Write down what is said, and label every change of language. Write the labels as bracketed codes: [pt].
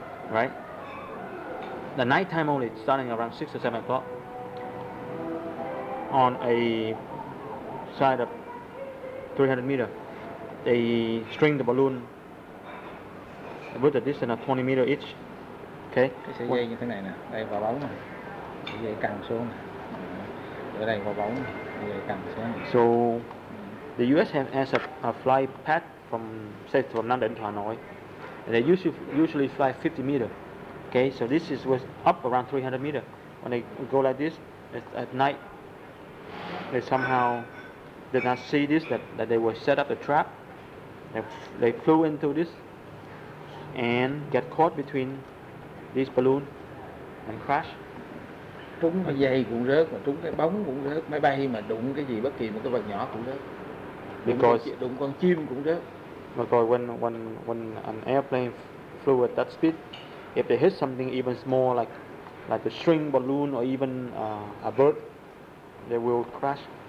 [en] Right? The night time only starting around 6 or 7 o'clock on a side of 300 meters. They string the balloon with a distance of 20 meters each. Okay? [vi] Cái sợi dây như thế này nè, đây vào bóng dây căng xuống ở đây có bóng dây căng xuống. [en] So the US have as a fly path from say from London to Hanoi, and they usually fly 50 meters. Okay, so this is was up around 300 meters. When they go like this at night, they somehow did not see this, that they were set up a trap. They flew into this and get caught between this balloon and crash. [vi] Trúng cái dây cũng rớt, mà trúng cái bóng cũng rớt, máy bay mà đụng cái gì bất kỳ một cái vật nhỏ cũng rớt. [en] Because [vi] đụng con chim cũng rớt. [en] Because when an airplane flew at that speed, if they hit something even small like a string balloon or even a bird, they will crash.